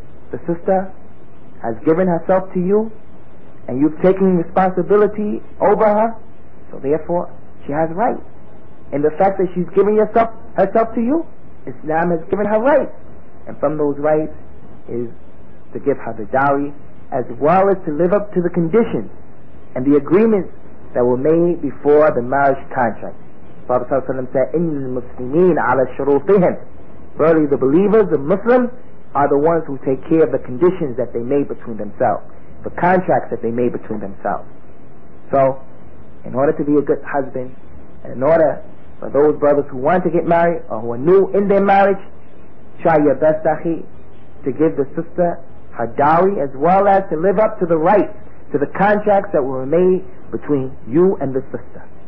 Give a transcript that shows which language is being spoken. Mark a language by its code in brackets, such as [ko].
[en] The sister has given herself to you, and you've taken responsibility over her, so therefore she has rights. And the fact that she's giving herself to you, Islam has given her rights. And from those rights is to give her the dowry, as well as to live up to the conditions and the agreements that were made before the marriage contract. Prophet ﷺ said, [ar] إِنَّ الْمُسْلِمِينَ عَلَى شُرُوطِهِمْ. [en] Verily the believers, the Muslims, are the ones who take care of the conditions that they made between themselves, the contracts that they made between themselves. So, in order to be a good husband, and in order for those brothers who want to get married or who are new in their marriage, try your best, akhi, to give the sister her dowry, as well as to live up to the rights, to the contracts that were made between you and the sister.